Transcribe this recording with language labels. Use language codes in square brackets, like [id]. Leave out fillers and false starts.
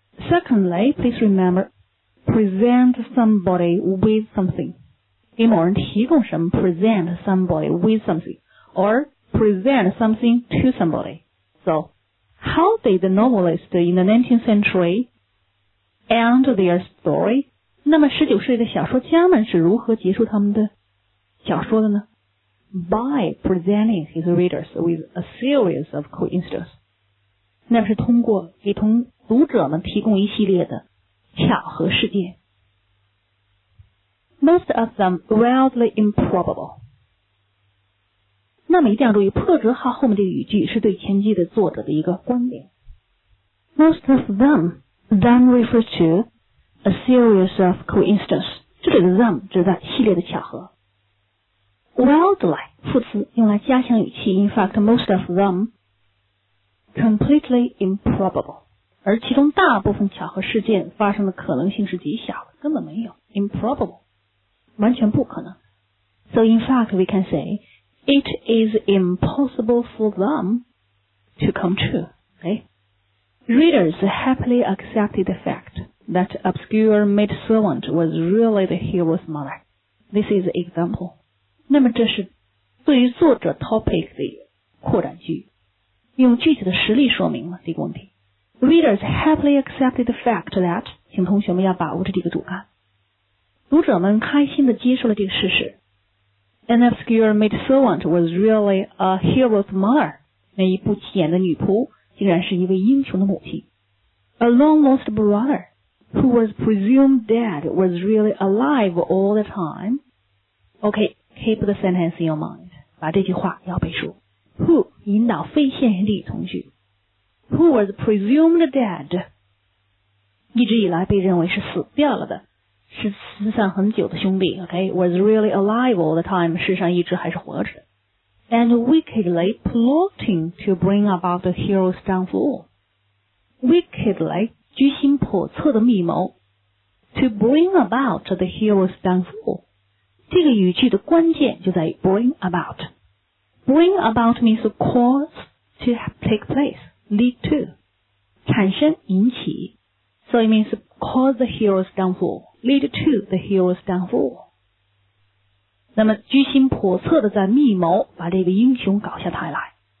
[en] Secondly, please remember, present somebody with something. [zh] 给某人提供什么 [en] present somebody with something, or present something to somebody. So, how did the novelist in the 19th century end their story? [zh] 那么19世纪的小说家们是如何结束他们的小说的呢? [en] By presenting his readers with a series of coincidences. [zh] 那是通过给同读者们提供一系列的巧合事件。 [en] Most of them wildly improbable. [zh] 那么一定要注意破折号后面这个语句是对前句的作者的一个观点。 [en] Most of them then refer to a series of coincidences. [zh] 这里的 them 指的系列的巧合。Wildly 副词用来加强语气 [en] In fact, most of them,Completely improbable. [zh] 而其中大部分巧合事件发生的可能性是极小的，根本没有。 [en] Improbable. [zh] 完全不可能。 [en] So in fact, we can say, it is impossible for them to come true. Okay? Readers happily accepted the fact that obscure maidservant was really the hero's mother. This is an example. [zh] 那么这是对于作者 topic 的扩展句。用具体的实例说明了这个问题。 [en] Readers happily accepted the fact that, [zh] 请同学们要把握着这个主干。读者们开心地接受了这个事实。 [en] An obscure maidservant was really a hero's mother. [zh] 那一不起眼的女仆竟然是一位英雄的母亲。 [en] A long lost brother, who was presumed dead, was really alive all the time. Okay, keep the sentence in your mind. [zh] 把这句话要背熟。 [en] Who [zh] 引导非线性的从句 [en] ？Who was presumed dead？ [zh] 一直以来被认为是死掉了的，是失散很久的兄弟。 [en] Okay, was really alive all the time， [zh] 事实上一直还是活着的。 [en] And wickedly plotting to bring about the hero's downfall， wickedly [zh] 居心叵测的密谋 [en] ，to bring about the hero's downfall。 [zh] 这个语句的关键就在于 bring about。 [en] Bring about means cause to take place, lead to, [zh] 产生引起 [en] So it means cause the hero's downfall, lead to the hero's downfall. [zh] 那么居心叵测的在密谋把这个英雄搞下台来。